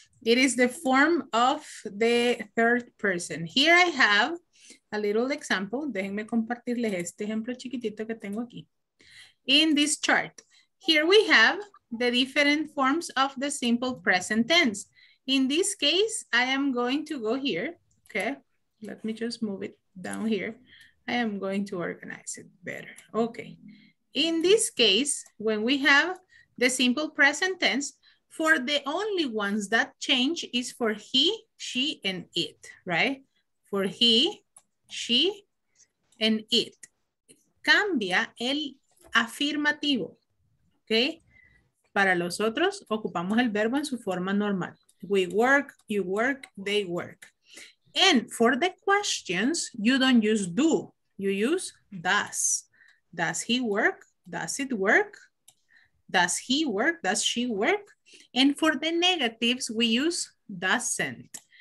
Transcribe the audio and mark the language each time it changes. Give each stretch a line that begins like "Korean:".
English: It is the form of the third person. Here I have a little example.
Spanish: Déjenme compartirles este ejemplo chiquitito que tengo aquí.
English: In this chart, here we have the different forms of the simple present tense. In this case, I am going to go here. Okay, let me just move it down here. I am going to organize it better. Okay. In this case, when we have the simple present tense, for the only ones that change is for he, she, and it, right? For he, she, and it.
Spanish: Cambia el afirmativo, okay? Para los otros, ocupamos el verbo en su forma normal.
English: We work, you work, they work. And for the questions, you don't use do, you use does. Does he work? Does it work? Does he work? Does she work? And for the negatives, we use doesn't.